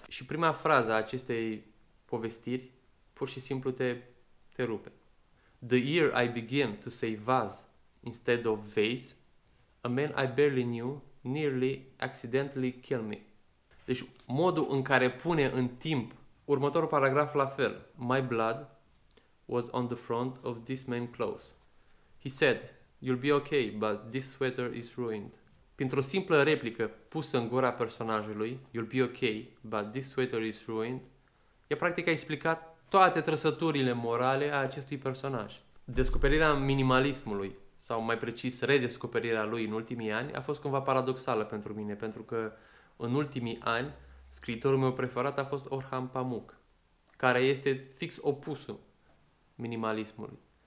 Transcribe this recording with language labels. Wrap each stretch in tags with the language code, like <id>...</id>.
<ro>Și prima frază a acestei povestiri pur și simplu te rupe.</ro> <en>The year I began to say vase instead of vase, a man I barely knew nearly accidentally killed me.</en> <ro>Deci modul în care pune în timp următorul paragraf la fel.</ro> <en>My blood was on the front of this man's clothes. He said, you'll be okay, but this sweater is ruined.</en> <ro>Printr-o simplă replică pusă în gura personajului,</ro> <en>you'll be okay, but this sweater is ruined,</en> <ro>ea practic a explicat toate trăsăturile morale a acestui personaj. Descoperirea minimalismului, sau mai precis redescoperirea lui în ultimii ani, a fost cumva paradoxală pentru mine, pentru că în ultimii ani, scriitorul meu preferat a fost Orhan Pamuk, care este fix opusul minimalismului.</ro>